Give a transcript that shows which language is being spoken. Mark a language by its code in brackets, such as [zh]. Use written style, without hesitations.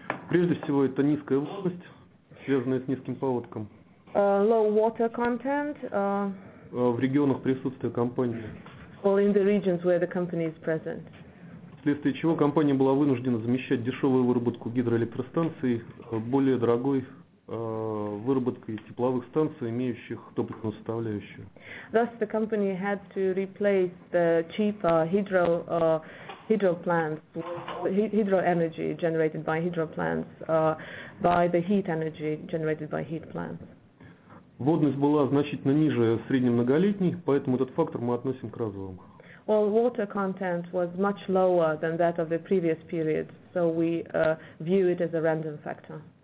[ru] Прежде всего, это низкая влажность, связанная с низким паводком. [en] Low water content. [ru] В регионах присутствия компании. [en] Well, in the regions where the company is present. [ru] Вследствие чего компания была вынуждена замещать дешевую выработку гидроэлектростанций более дорогой выработкой тепловых станций, имеющих топливную составляющую. [en] Thus, the company had to replace the cheaper hydro plants by the heat energy generated by heat plants. [ru] Водность была значительно ниже среднемноголетней, поэтому этот фактор мы относим к разовым. [en] Well, water content was much lower than that of the previous period, so we view it as a random factor.